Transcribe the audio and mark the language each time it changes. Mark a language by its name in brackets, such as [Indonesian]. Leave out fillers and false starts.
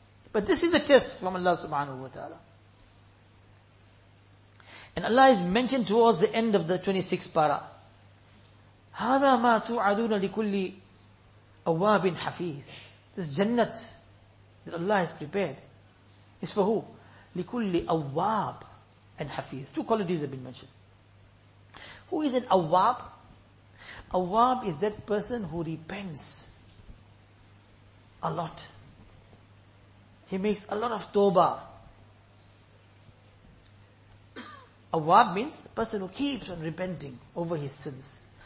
[English] But this is the test from Allah subhanahu wa ta'ala. And Allah is mentioned towards the end of the 26th para. [Arabic] هَذَا مَا تُعَدُونَ لِكُلِّ أَوَّابٍ حَفِيظٍ. [English] This jannat that Allah has prepared is for who? [Arabic] لِكُلِّ أَوَّابٍ [English] and [Arabic] حَفِيظٍ. [English] Two qualities have been mentioned. Who is an awwab? Awwab is that person who repents a lot. He makes a lot of tawbah. Awwab means a person who keeps on repenting over his sins.